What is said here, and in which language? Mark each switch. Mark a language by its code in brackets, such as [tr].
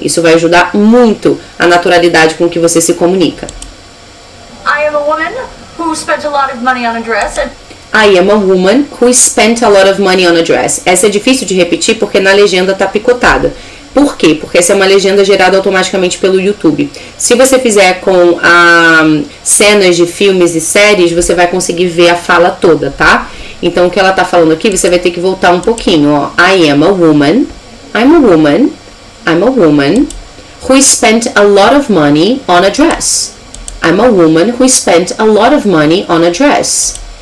[pt] Isso vai ajudar muito a naturalidade com que você se comunica. [en] I am a woman who spent a lot of money on a dress and... I am a woman who spent a lot of money on a dress. [pt] Essa é difícil de repetir porque na legenda tá picotada. Por quê? Porque essa é uma legenda gerada automaticamente pelo YouTube. Se você fizer com cenas de filmes e séries, você vai conseguir ver a fala toda, tá? Então, o que ela tá falando aqui, você vai ter que voltar um pouquinho, ó. [en] I am a woman. I'm a woman. I'm a woman who spent a lot of money on a dress. I'm a woman who spent a lot of money on a dress.